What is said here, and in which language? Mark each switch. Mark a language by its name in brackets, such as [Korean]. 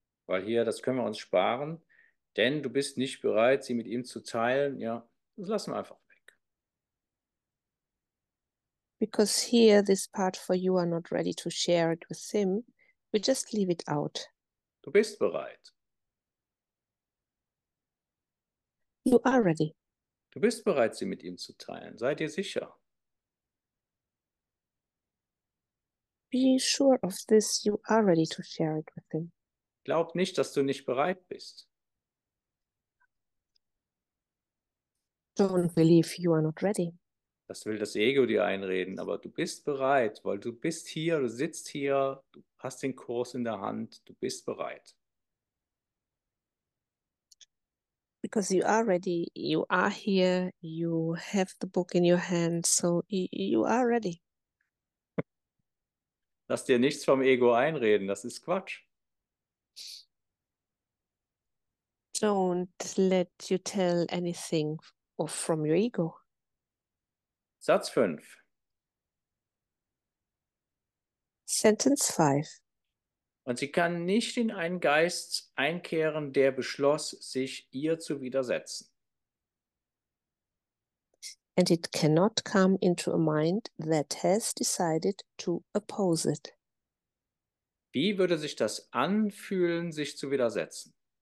[German] Weil hier, das können wir uns sparen, denn du bist nicht bereit, sie mit ihm zu teilen. Ja, das lassen wir einfach weg. [English] Because here, this part for you are not ready to share it with him. We just leave it out. [German] Du bist bereit. [English] You are ready. [German] Du bist bereit, sie mit ihm zu teilen. Sei dir sicher. [English] Be sure of this, you are ready to share it with him. [German] Glaub nicht, dass du nicht bereit bist. [English] Don't believe you are not ready. [German] Das will das Ego dir einreden, aber du bist bereit, weil du bist hier, du sitzt hier, du hast den Kurs in der Hand, du bist bereit. [English] Because you are ready, you are here, you have the book in your hand, so you are ready. [German] Lass dir nichts vom Ego einreden, das ist Quatsch. [English] Don't let you tell anything or from your ego. [German] Satz 5. [English] Sentence 5. [German] Und sie kann nicht in einen Geist einkehren, der beschloss, sich ihr zu widersetzen. [English] And it cannot come into a mind that has decided to oppose it. [German] Wie würde sich das anfühlen, sich zu widersetzen?